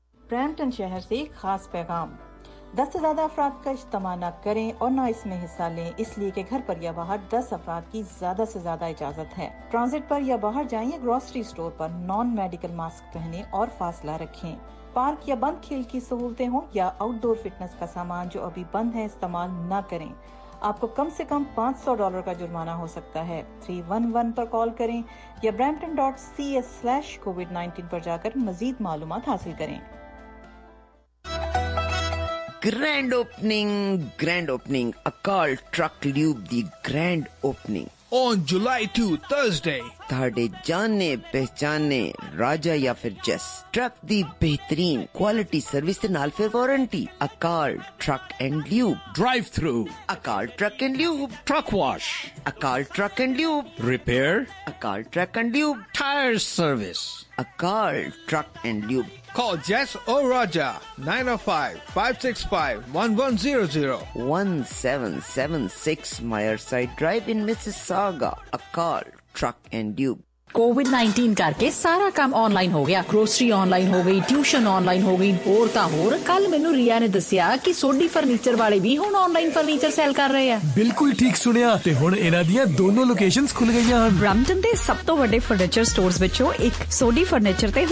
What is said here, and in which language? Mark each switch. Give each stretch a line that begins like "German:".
Urdu: Brampton شہر سے ایک خاص پیغام، 10 سے زیادہ افراد کا اجتماع نہ کریں اور نہ اس میں حصہ لیں، اس لیے کہ گھر پر یا باہر 10 افراد کی زیادہ سے زیادہ اجازت ہے۔ ٹرانزٹ پر یا باہر جائیں، گروسری سٹور پر نان میڈیکل ماسک پہنیں اور فاصلہ رکھیں۔ پارک یا بند کھیل کی سہولتیں ہوں یا آؤٹ ڈور فٹنس کا سامان جو ابھی بند ہے استعمال نہ کریں۔ آپ کو کم سے کم $500 کا جرمانہ ہو سکتا ہے۔ 311 پر کال کریں یا brampton.ca/covid-19 پر جا کر مزید معلومات حاصل کریں۔
English: grand opening, grand opening, Akal truck lube the grand opening on July 2, Thursday
Punjabi: تھاڑے جانے پہچانے راجا یا پھر جس ٹرک دی بہترین کوالٹی سروس دے نال پھر warranty Akal truck and lube
English: drive through Akal truck and lube truck wash Akal truck and lube repair Akal truck and lube tyre service Akal truck and lube
Punjabi: کال جس او راجا 905-565-1100
English: 1776 Meyerside drive in Mississauga Akal truck and lube
Punjabi: Covid 19 کر کے سارا کام on line ہو گیا grocery on line ہو گئی tuition on line ہو گئی اور تا ہور کل مینوں ریا نے دسیا کہ سوڈی فرنیچر والے بھی ہن آن لائن فرنیچر سیل کر رہے ہیں بالکل ٹھیک سنیا تے ہن انہاں دیاں دونوں لوکیشنز کھل گئی ہیں برمٹن دے سب تو بڑے فرنیچر سٹورز وچوں ایک سوڈی فرنیچر تے ہن